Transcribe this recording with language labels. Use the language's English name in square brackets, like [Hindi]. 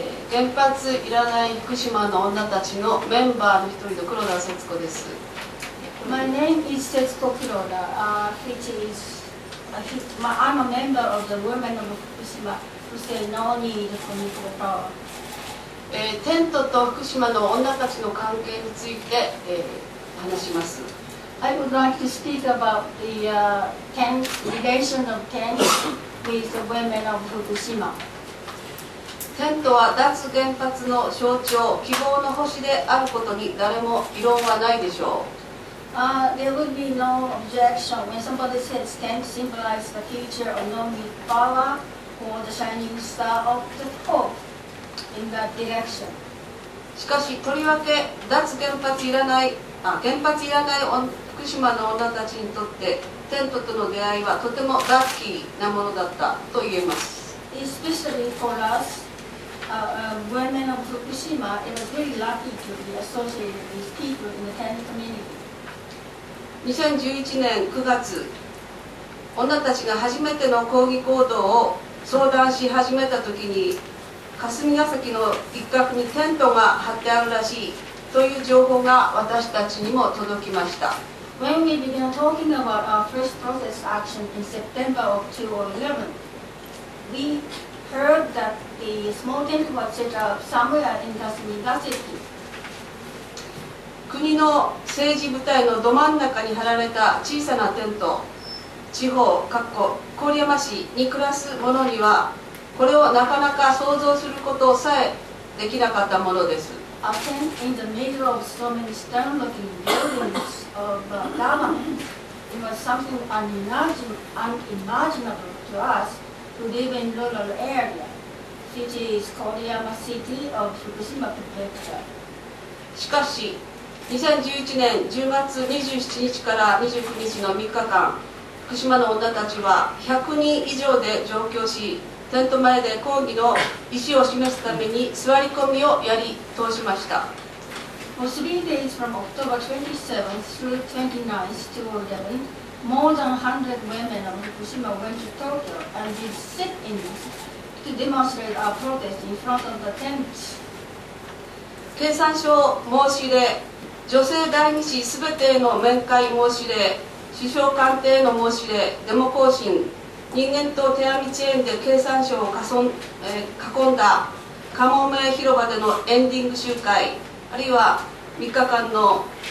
[Japanese] 原発いらない福島の女たちのメンバーの一人の黒田節子です。 [English] My name is Setsuko Kuroda, which is I'm a member of the Women of Fukushima who say no need for nuclear power. [Japanese] テントと福島の女たちの関係について、話します。 [English] I would like to speak about the tent, relation of tents with the women of Fukushima. [Japanese] テントは脱原発の象徴、希望の星であることに誰も異論はないでしょう。 [English] There would be no objection when somebody says tent symbolizes the future of nuclear power or the shining star of the hope in that direction. [Japanese] しかし、とりわけ脱原発いらない、原発いらない福島の女たちにとってテントとの出会いはとてもラッキーなものだったと言えます。 [English] Especially for us. Women of Fukushima, it was very lucky to be associated with people in the tent community. [Japanese] 2011年9月、女たちが初めての抗議行動を相談し始めたときに、霞ヶ関の一角にテントが張ってあるらしいという情報が私たちにも届きました。 [English] When we began talking about our first protest action in September of 2011, we heard that the small tent was set up somewhere in Kasumigaseki. [Japanese] 国の政治舞台のど真ん中に張られた小さなテント、地方（郡山市）に暮らす者には、これをなかなか想像することさえできなかったものです。 [English] A tent in the middle of so many stern-looking buildings of government, it was something unimaginable to us. To live in rural area, which is Koryama City of Fukushima Prefecture. [Japanese] しかし、2011年10月27日から29日の3日間、福島の女たちは100人以上で上京し、テント前で抗議の意思を示すために座り込みをやり通しました。 [English] For 3 days from October 27th through 29th, 2011,More than 100 women of Fukushima went to Tokyo and did sit-ins to demonstrate our protest in front of the tent. [Japanese] 経産省申し入れ、女性第二子すべてへの面会申し入れ、首相官邸への申し入れ、デモ行進、人間と手編みチェーンで経産省を囲んだカモメ広場でのエンディング集会、あるいは3日間の、